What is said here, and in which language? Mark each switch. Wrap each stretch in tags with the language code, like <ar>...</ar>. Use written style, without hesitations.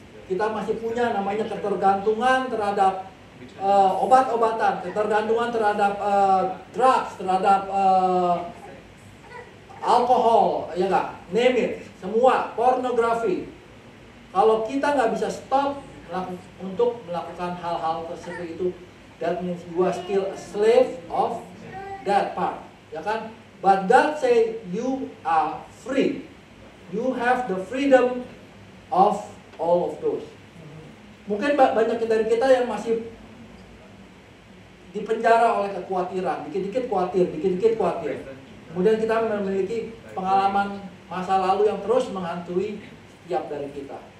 <id>Kita masih punya namanya ketergantungan terhadap obat-obatan, ketergantungan terhadap drugs, terhadap alkohol, ya enggak?</id> <en>Name it,</en> <id>semua, pornografi. Kalau kita enggak bisa stop untuk melakukan hal-hal tersebut itu,</id> <en>that means you are still a slave of that part,</en> <id>ya kan?</id> <en>But God say you are free. You have the freedom of all of those.</en> <id>Mungkin banyak dari kita yang masih dipenjara oleh kekhawatiran, dikit-dikit khawatir. Kemudian kita memiliki pengalaman masa lalu yang terus menghantui setiap dari kita.</id>